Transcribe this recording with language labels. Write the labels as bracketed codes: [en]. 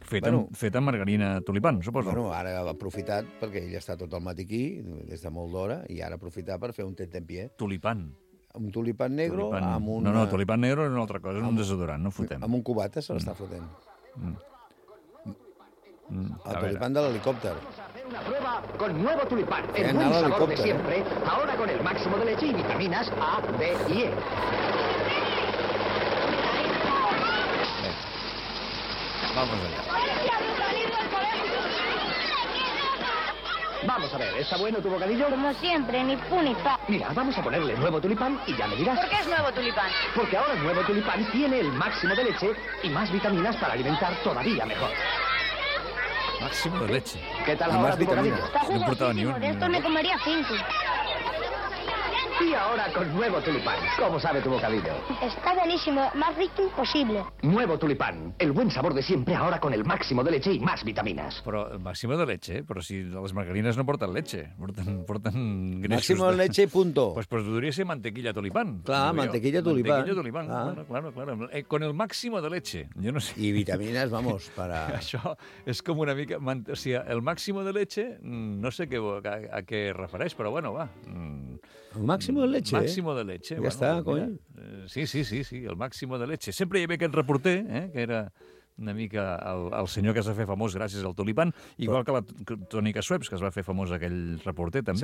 [ca] Fet amb margarina tulipan, suposo. Bueno, ara ha aprofitat, perquè ell està tot el matí aquí, des de molt d'hora, i ara aprofitar per fer un tentempié. Tulipan. Un tulipan negro tulipan. Amb un... No, tulipan negro és una altra cosa, és un desodorant, no fotem. Amb un cubata se l'està fotent. El tulipan de l'helicòpter. [es] Una prova con nuevo tulipán. El buen sabor de siempre, ahora con el máximo de leche y vitaminas A, B y E. Vamos allá. Vamos a ver, ¿está bueno tu bocadillo? Como siempre, ni pu ni pa. Mira, vamos a ponerle nuevo tulipán y ya me dirás. ¿Por qué es nuevo tulipán? Porque ahora nuevo tulipán tiene el máximo de leche y más vitaminas para alimentar todavía mejor. Máximo de leche. ¿Qué tal ahora tu bocadillo? No importaba ni un. De esto me comería cinco. Y ahora con nuevo tulipán. ¿Cómo sabe tu bocadillo? Está buenísimo, más rico imposible. Nuevo tulipán, el buen sabor de siempre, ahora con el máximo de leche y más vitaminas. [ca] Però el máximo de leche, però si les margarines no porten leche, porten greixos. [es] Máximo de leche, punto. [ca] Pues podria ser mantequilla tulipán. Clar, mantequilla tulipán. [es] Mantequilla tulipán, claro. Con el máximo de leche, jo no sé. Y vitaminas, vamos, para... [ca] Això és com una mica... O sigui, el máximo de leche, no sé a què refereix, però bueno, va... [es] El máximo de leche. Máximo de leche. [ca] Ja està, coi. [es] Sí, el máximo de leche. [ca] Sempre hi havia aquest reporter, que era una mica el senyor que es va fer famós gràcies al tulipan, igual que la Tònica Sueps, que es va fer famós aquell reporter, també.